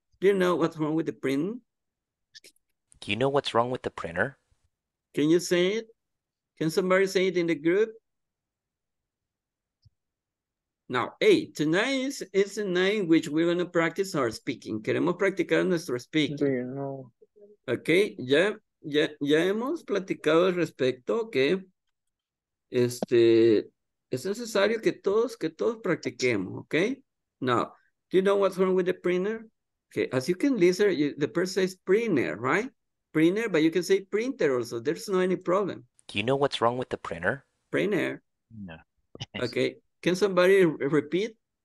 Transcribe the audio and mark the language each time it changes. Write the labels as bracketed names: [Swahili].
[English] Do you know what's wrong with the printer? Do you know what's wrong with the printer? Can you say it? Can somebody say it in the group? Now, hey, tonight is the night in which we're going to practice our speaking. [Spanish] Queremos practicar nuestro speaking. Sí, no. Okay, ya hemos platicado al respecto que es necesario que todos practiquemos, okay? [English] Now, do you know what's wrong with the printer? Okay, as you can listen, the person says printer, right? Printer, but you can say printer also. There's no any problem. Do you know what's wrong with the printer? Printer. No. Okay. Can somebody repeat?